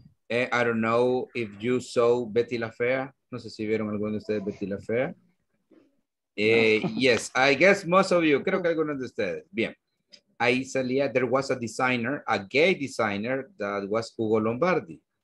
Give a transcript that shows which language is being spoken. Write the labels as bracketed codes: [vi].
[en] I don't know if you saw Betty La Fea. [es] No sé si vieron alguno de ustedes Betty La Fea. [en] Yes, I guess most of you. [es] Creo que algunos de ustedes. Bien. Ahí salía, [en] there was a designer, a gay designer, that was Hugo Lombardi.